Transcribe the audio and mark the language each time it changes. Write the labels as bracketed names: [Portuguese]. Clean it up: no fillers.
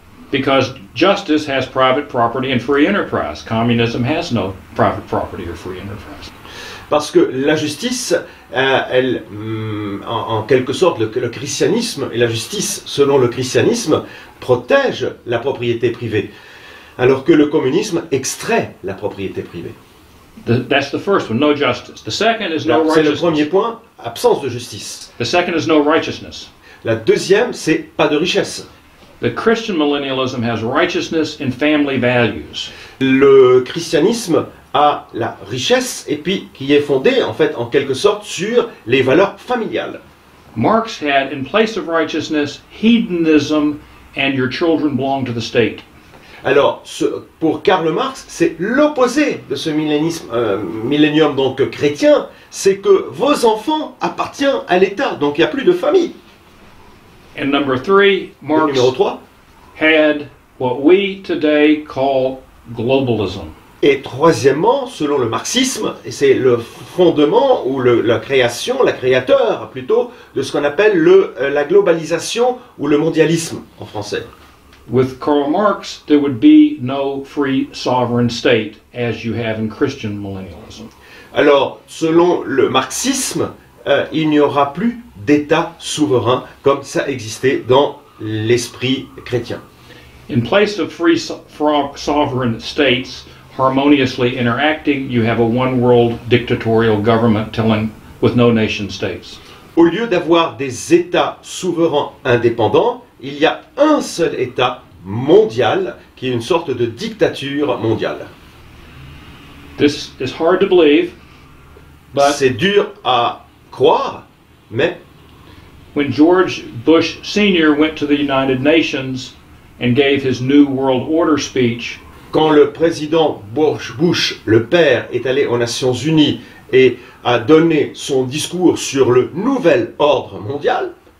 [English] Because justice has private property and free enterprise. Communism has no private property or free enterprise. [French] Parce que la justice, en quelque sorte, le christianisme et la justice, selon le christianisme, protège la propriété privée. Alors que le communisme extrait la propriété privée. [English] That's the first one, no justice. The second is no righteousness. [French] C'est le premier point, absence de justice. [English] The second is no righteousness. [French] La deuxième, c'est pas de richesse. [English] The Christian millennialism has righteousness and family values. [French] Le christianisme a la richesse et puis qui est fondée en fait en quelque sorte sur les valeurs familiales. [English] Marx had in place of righteousness hedonism and your children belong to the state. [French] Alors, pour Karl Marx, c'est l'opposé de ce millénium donc chrétien, c'est que vos enfants appartiennent à l'État, donc il n'y a plus de famille. [English] And number three, Marx [French] numéro 3, [English] had what we today call globalism. [French] Et troisièmement, selon le marxisme, et c'est le fondement ou la créateur plutôt de ce qu'on appelle la globalisation ou le mondialisme en français. [English] With Karl Marx, there would be no free sovereign state as you have in Christian millennialism. [French] Alors, selon le marxisme, il n'y aura plus d'État souverain comme ça existait dans l'esprit chrétien. [English] In place of free sovereign states harmoniously interacting, you have a one-world dictatorial government telling with no nation states. [French] Au lieu d'avoir des États souverains indépendants, il y a un seul État mondial qui est une sorte de dictature mondiale. [English] This is hard to believe, but [French] c'est dur à croire, mais [English] when George Bush Senior went to the United Nations and gave his New World Order speech, [French] quand le président Bush le père est allé aux Nations Unies et a donné son discours sur le nouvel ordre mondial,